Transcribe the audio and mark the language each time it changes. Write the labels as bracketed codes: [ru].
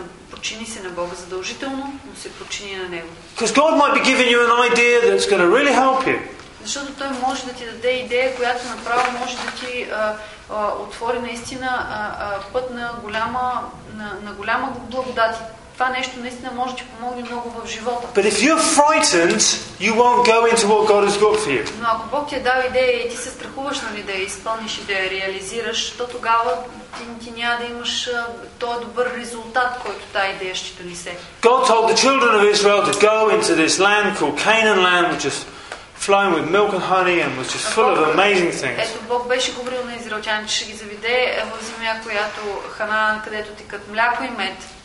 [bg] Почини се на Бога задължително, но се почини на него. [en] Because God might be giving you an idea that's going to really help you. [bg] Защото той може да ти даде идея, която направо може да ти отвори наистина път на голяма благодат. Това нещо наистина може да ти помогне много в живота. [en] But if you're frightened, you won't go into what God has got for you. [bg] Но ако Бог ти е дал идея и ти се страхуваш, нали, да я изпълниш и да я реализираш, то тогава ти няма да имаш този добър резултат, който тази идея ще донесе. [en] God told the children of Israel to go into this land called Canaan land, which is flowing with milk and honey and was just full of amazing things. [bg] Ето Бог беше говорил на израелтяните, че ще ги заведе в земя, която Ханаан, където текат мляко и мед.